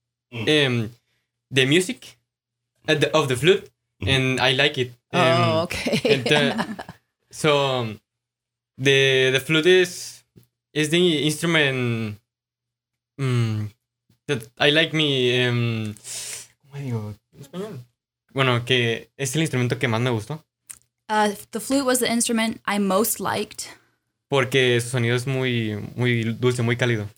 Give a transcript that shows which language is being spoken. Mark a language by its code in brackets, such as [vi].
[en] The music of the flute, and I like it. Okay. And, so the flute is the instrument that I like me. [es] ¿Cómo digo en español? Bueno, que es el instrumento que más me gustó. [en] The flute was the instrument I most liked. [es] Porque su sonido es muy muy dulce, muy cálido.